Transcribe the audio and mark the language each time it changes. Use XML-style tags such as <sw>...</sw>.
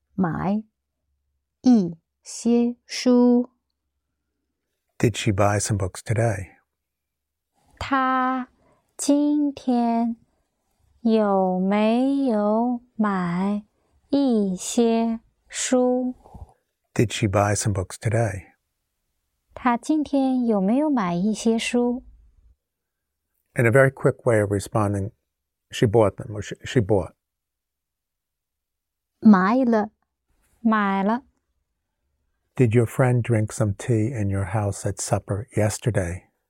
<zh>她今天有没有买一些书?</zh> <en>Did she buy some books today?</en> <zh>她今天有没有买一些书?</zh> <en>Did she buy some books today?</en> <zh>她今天有没有买一些书?</zh> <en>In a very quick way of responding, she bought them, or she bought.</en> <zh>买了。买了。</zh> <en>Did your friend drink some tea in your house at supper yesterday?</en>